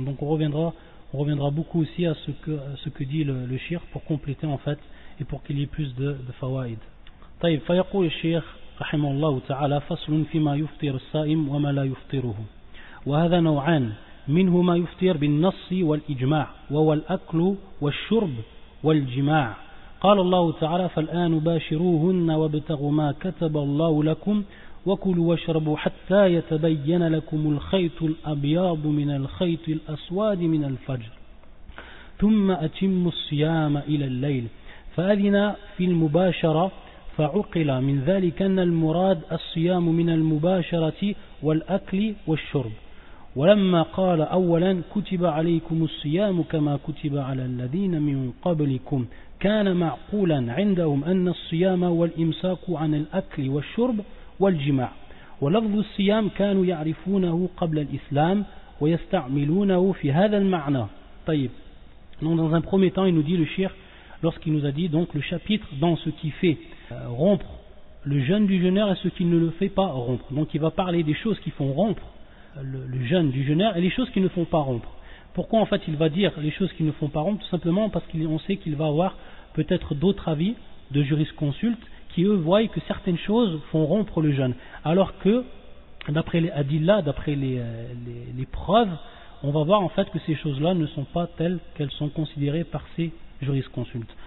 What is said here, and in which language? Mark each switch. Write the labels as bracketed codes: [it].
[fr] Donc on reviendra beaucoup aussi à ce que dit le Cheikh pour compléter en fait et pour qu'il y ait plus de fawaïd. [ar] Taïb, fayaqul al-Cheikh rahimahullah ta'ala faslun fima yuftir sa'im wa ma la yuftiruhu wa hadha naw'an منه ما يفطر بالنص والإجماع وهو الأكل والشرب والجماع. قال الله تعالى فالآن باشروهن وابتغوا ما كتب الله لكم وَكُلُوا وَشْرَبُوا حَتَّى يَتَبَيَّنَ لَكُمُ الْخَيْطُ الْأَبْيَاضُ مِنَ الْخَيْطِ الْأَسْوَادِ مِنَ الْفَجْرِ ثُمَّ أَتِمُّ الصِّيَامَ إِلَى اللَّيْلِ فَأَذِنَ فِي الْمُبَاشَرَةِ فَعُقِلَ مِنْ ذَلِكَ أَنَّ الْمُرَادَ الصِّيَامُ مِنَ الْمُبَاشَرَةِ وَالْأَكْلِ وَالشُّرْبِ ولما قال أولا كتب عليكم الصيام كما كتب على الذين من قبلكم كان معقولا عندهم أن الصيام والإمساك عن الأكل والشرب والجماع ولفظ الصيام كانوا يعرفونه قبل الإسلام ويستعملونه في هذا المعنى. [fr] طيب donc dans un premier temps il nous dit le cheikh lorsqu'il nous a dit donc le chapitre dans ce qui fait rompre le jeûne du jeûneur et ce qui ne le fait pas rompre, donc il va parler des choses qui font rompre le jeûne du jeûneur et les choses qui ne font pas rompre. Pourquoi en fait il va dire les choses qui ne font pas rompre? Tout simplement parce qu'on sait qu'il va avoir peut-être d'autres avis de jurisconsultes qui eux voient que certaines choses font rompre le jeûne, alors que d'après les hadillas, d'après les preuves, on va voir en fait que ces choses là ne sont pas telles qu'elles sont considérées par ces jurisconsultes.